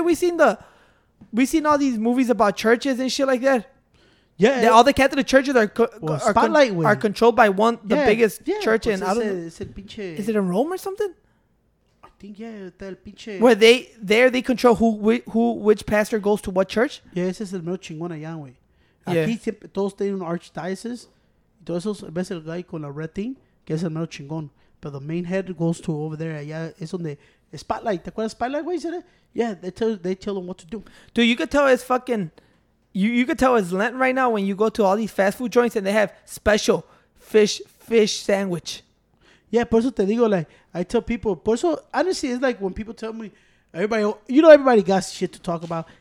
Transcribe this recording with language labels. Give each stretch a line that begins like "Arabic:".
English: We've seen all these movies about churches and shit like that. Yeah, all the Catholic churches are controlled by the biggest church in. Is it in Rome or something? I think
Spanish: el pinche.
English: Where they control which pastor goes to what church?
Spanish: Yeah, ese es el mero chingón allá, güey. Aquí todos tienen archdiocese. Entonces, a veces el
English: guy
Spanish: con la
English: red thing,
Spanish: que es el mero chingón.
English: But the main head goes to over there.
Spanish: Allá es donde
English: spotlight.
Spanish: ¿Te acuerdas
English: spotlight,
Spanish: güey?
English: Yeah, they tell them what to do. Dude, you could tell it's fucking. You could tell it's Lent right now when you go to all these fast food joints and they have special fish sandwich. Yeah,
Spanish: por eso te digo,
English: like, I tell people,
Spanish: por eso,
English: honestly, it's like when people tell me, everybody, you know, everybody got shit to talk about.